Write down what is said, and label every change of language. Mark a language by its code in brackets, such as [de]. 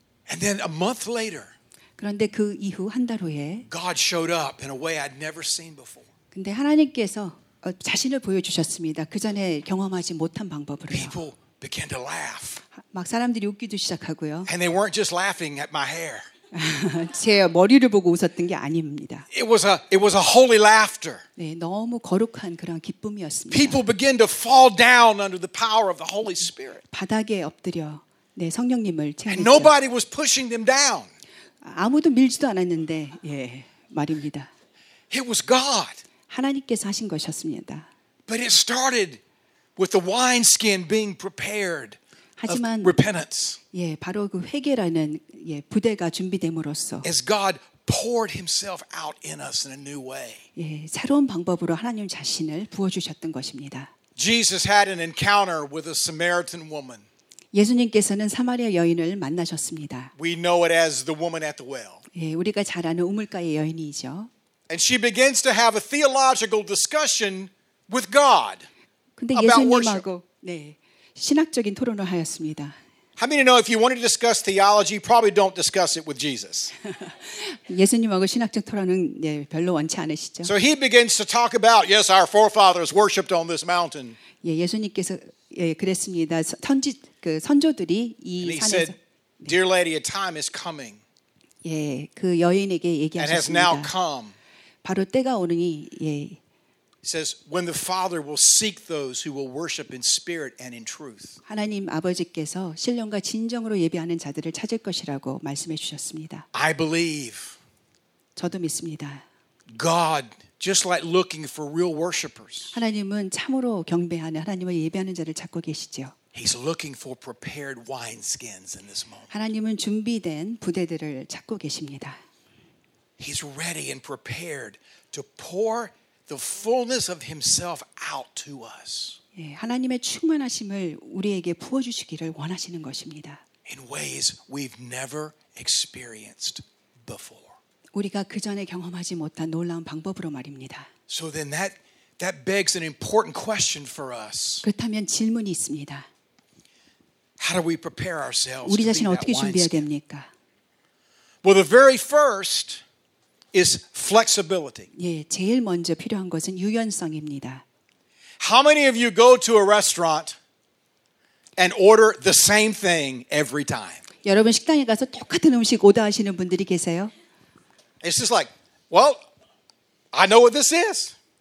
[en] And then a month later. [ko] 그런데 그 이후 한 달 후에 [en] God showed up in a way I'd never seen before. [ko] 근데 하나님께서 자신을 보여 주셨습니다. 그 전에 경험하지 못한 방법으로요. [en] People began to laugh. [ko] 막 사람들이 웃기도 시작하고요. [en] And they weren't just laughing at my hair. [ko] 제 머리를 보고 웃었던 게 아닙니다. [en] It was a holy laughter. [ko] 네, 너무 거룩한 그런 기쁨이었습니다. [en] People began to fall down under the power of the Holy Spirit. [ko] 바닥에 엎드려 네, 성령님을 체험했죠. [en] And nobody was pushing them down. [ko] 아무도 밀지도 않았는데 예, 말입니다. [en] It was God. [ko] 하나님께서 하신 것이었습니다. [en] But it started with the wineskin being prepared. [ko] 하지만 [en] repentance. [ko] 예, 바로 그 회개라는 예, 부대가 준비됨으로써 [en] As God poured himself out in us in a new way. [ko] 예, 새로운 방법으로 하나님 자신을 부어 주셨던 것입니다. [en] Jesus had an encounter with a Samaritan woman. [ko] 예수님께서는 사마리아 여인을 만나셨습니다. [en] We know it as the woman at the well. [ko] 예, 우리가 잘 아는 우물가의 여인이죠. [en] And she begins to have a theological discussion with God. [ko] 근데 예수님하고 네. 신학적인 토론을 하였습니다. [en] How many know if you wanted to discuss theology, probably don't discuss it with Jesus. [ko] 예수님하고 신학적 토론은 네, 별로 원치 않으시죠. [en] So he begins to talk about yes, our forefathers worshipped on this mountain. [ko] 예, 예수님께서 예, 그랬습니다. 선지 그 선조들이 이 [en] And [ko] 산에서 [en] he said, Dear lady, a time is coming. [ko] 예, 그 여인에게 얘기하셨습니다. [en] And has now come. [ko] 바로 때가 오느니 예. [en] It says when the Father will seek those who will worship in spirit and in truth. [ko] 하나님 아버지께서 신령과 진정으로 예배하는 자들을 찾을 것이라고 말씀해 주셨습니다. [en] I believe. [ko] 저도 믿습니다. [en] God just like looking for real worshipers. [ko] 하나님은 참으로 경배하는 하나님을 예배하는 자를 찾고 계시죠. [en] He's looking for prepared wineskins in this moment. [ko] 하나님은 준비된 부대들을 찾고 계십니다. [en] He's ready and prepared to pour the fullness of himself out to us. [ko] 예, 하나님의 충만하심을 우리에게 부어 주시기를 원하시는 것입니다. [en] In ways we've never experienced before. [ko] 우리가 그 전에 경험하지 못한 놀라운 방법으로 말입니다. [en] So then that begs an important question for us. [ko] 그렇다면 질문이 있습니다. [en] How do we prepare ourselves? [ko] 우리 자신을 어떻게 준비해야 됩니까? [en] Well, the very first is flexibility. [ko] 예, 제일 먼저 필요한 것은 유연성입니다. [en] How many of you go to a restaurant and order the same thing every time? [ko] 여러분 식당에 가서 똑같은 음식 오더하시는 분들이 계세요? [en] It's just like, well, I know what this is.